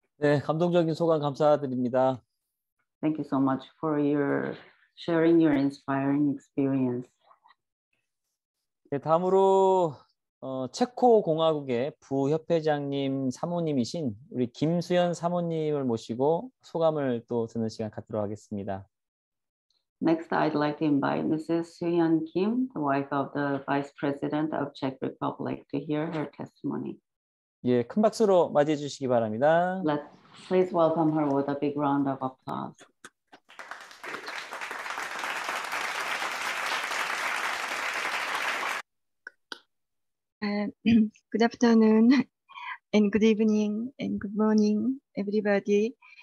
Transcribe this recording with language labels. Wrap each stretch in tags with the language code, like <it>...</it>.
<en>Thank you so much for your sharing your inspiring experience.</en> <ko>네, 다음으로 체코 공화국의 부협회장님 사모님이신 우리 김수연 사모님을 모시고 소감을 또 듣는 시간 갖도록 하겠습니다.</ko> <en>Next, I'd like to invite Mrs. Suyeon Kim, the wife of the Vice President of Czech Republic, to hear her testimony.</en> <ko>예, 큰 박수로 맞이해 주시기 바랍니다.</ko> <en>Please welcome her with a big round of applause. Good afternoon and good evening and good morning, everybody.</en>